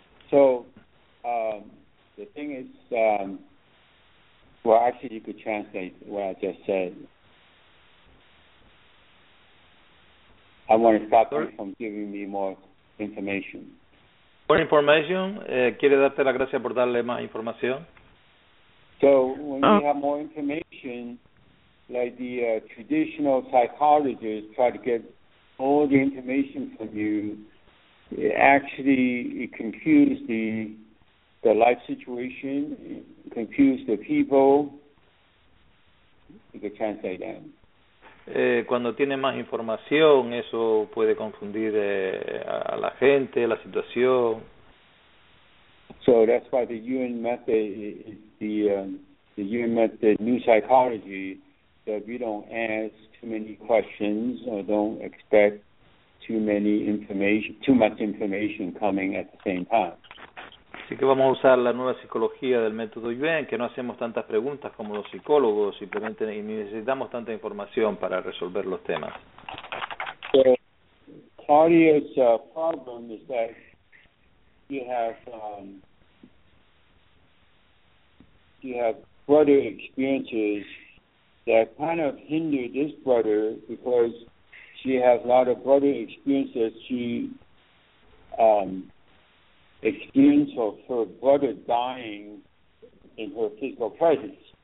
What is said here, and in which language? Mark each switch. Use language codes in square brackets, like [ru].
[en] So the thing is. Well, actually, you could translate what I just said. I want to stop you from giving me more information. More information? [es] ¿Quiere darte la gracia por darle más información? [en] So, when you have more information, like the traditional psychologists try to get all the information from you, it confuses the life situation, confuse the people. You can translate that. [es] Cuando tiene más información, eso puede confundir a la gente, la situación. [en] So that's why the UN method is the UN method, new psychology, that we don't ask too many questions or don't expect too much information coming at the same time. [es] Así que vamos a usar la nueva psicología del método Yuen, que no hacemos tantas preguntas como los psicólogos, simplemente necesitamos tanta información para resolver los temas. [en] So, Claudia's problem is that you have brother experiences that kind of hinder this brother, because she has a lot of brother experiences she experience of her brother dying in her physical presence.